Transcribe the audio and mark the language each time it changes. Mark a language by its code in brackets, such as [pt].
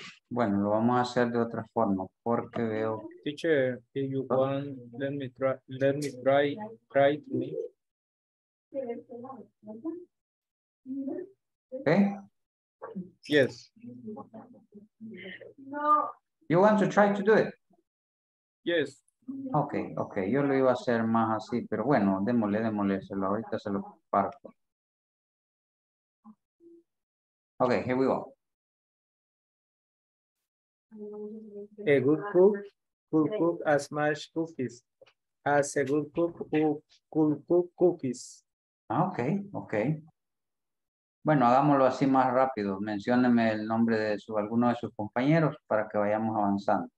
[es] Mm. Bueno, lo vamos a hacer de otra forma porque veo. [en] Teacher, if you want, let me try to me. ¿Eh? Yes. No. You want to try to do it? Yes. Okay, okay. [es] Yo lo iba a hacer más así, pero bueno, démosle, se lo ahorita se lo comparto. [en] Okay, here we go. A good cook could cook as much cookies as a good cook who could cook cookies. Okay, okay. [es] Bueno, hagámoslo así más rápido. Menciónenme el nombre de alguno de sus compañeros para que vayamos avanzando.